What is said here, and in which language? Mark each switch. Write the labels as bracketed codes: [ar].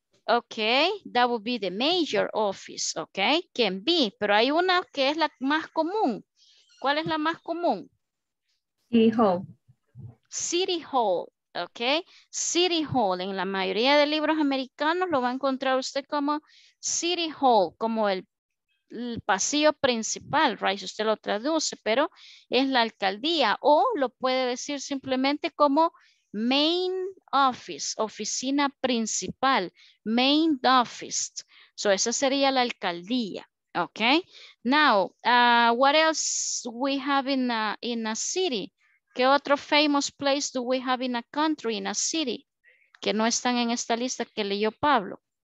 [en] Okay, that would be the major office, okay? Can be, [es] pero hay una que es la más común. ¿Cuál es la más común? [en] City Hall. City Hall, okay? [es] City Hall, en la mayoría de libros americanos lo va a encontrar usted como City Hall, como el pasillo principal, right? Usted lo traduce, pero es la alcaldía, o lo puede decir simplemente como main office, oficina principal, main office. So esa sería la alcaldía, okay? [en] Now, what else we have in a city? [es] ¿Qué otro [en] famous place do we have in a country, in a city? [es] Que no están en esta lista que leyó Pablo.